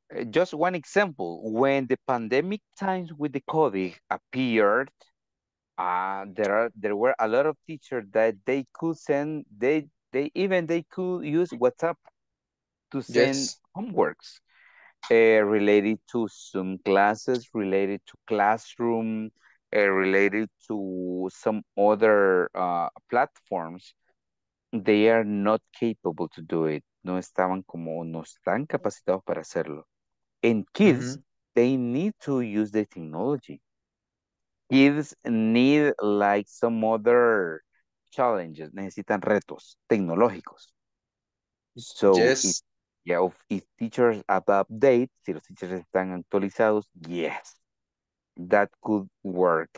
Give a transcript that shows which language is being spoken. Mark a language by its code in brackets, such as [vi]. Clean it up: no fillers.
[en] Just one example, when the pandemic times with the COVID appeared, there were a lot of teachers that they could send, they could use WhatsApp to send homeworks related to Zoom classes, related to classroom, related to some other platforms. They are not capable to do it. [es] No estaban como, no están capacitados para hacerlo. [en] And kids, they need to use the technology. Kids need like some other challenges. [es] Necesitan retos tecnológicos. [en] So, if teachers have to update, [es] si los teachers están actualizados, [en] yes, that could work.